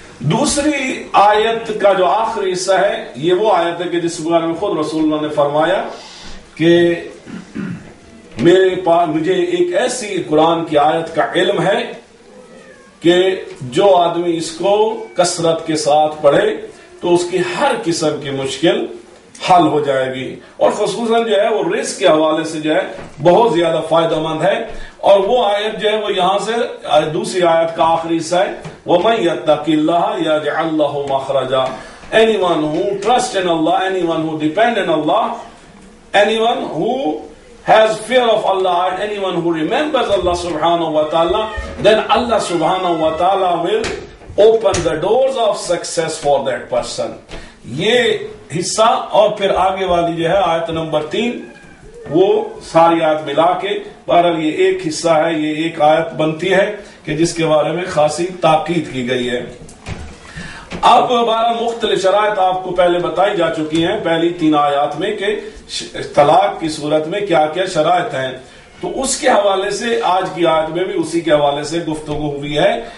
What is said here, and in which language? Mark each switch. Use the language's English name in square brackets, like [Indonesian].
[Urdu] دوسری آیت کا جو آخری حصہ ہے یہ وہ آیت ہے کہ جس بارے میں خود رسول اللہ نے فرمایا کہ میرے پاس, مجھے ایک ایسی قرآن کی آیت کا علم ہے کہ جو آدمی اس کو کثرت کے ساتھ پڑھے تو اس کی ہر قسم کی مشکل حل ہو جائے گی, اور خصوصاً جو ہے وہ رزق کے حوالے سے جو ہے بہت زیادہ فائدہ مند ہے. اور وہ آیت جو ہے وہ یہاں سے دوسری آیت کا آخری حصہ ہے, [Arabic] وَمَن يَتَّقِ اللَّهَ يَجْعَل لَّهُ مَخْرَجًا. [English] Anyone who trusts in Allah, anyone who depends on Allah, anyone who has fear of Allah, anyone who remembers Allah subhanahu wa ta'ala, then Allah subhanahu wa ta'ala will open the doors of success for that person. [Urdu] یہ حصہ اور پھر آگے والی جو ہے آیت number 3, وہ ساری آیت ملا کے بہرحال یہ ایک حصہ ہے, یہ ایک آیت بنتی ہے کہ جس کے بارے میں خاصی تاکید کی گئی ہے. اب بارہ مختلف شرائط آپ کو پہلے بتائی جا چکی ہیں پہلی 3 آیات میں کہ طلاق کی صورت میں کیا کیا شرائط ہیں, تو اس کے حوالے سے آج کی آیت میں بھی اسی کے حوالے سے گفتگو ہوئی ہے.